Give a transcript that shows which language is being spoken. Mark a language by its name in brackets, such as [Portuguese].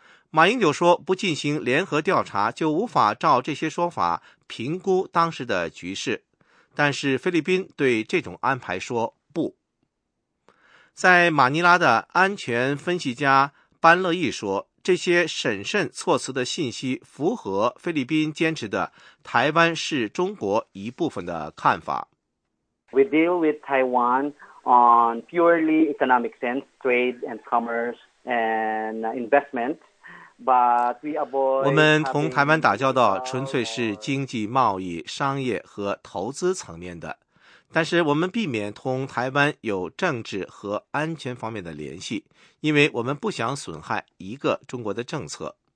[Chinese] 马英九说，不进行联合调查就无法照这些说法评估当时的局势，但是菲律宾对这种安排说不。在马尼拉的安全分析家班乐义说，这些审慎措辞的信息符合菲律宾坚持的台湾是中国一部分的看法。 [English] We deal with Taiwan on purely economic sense, trade and commerce and investment, [Chinese] 我们同台湾打交道纯粹是经济、贸易、商业和投资层面的，但是我们避免同台湾有政治和安全方面的联系，因为我们不想损害一个中国的政策。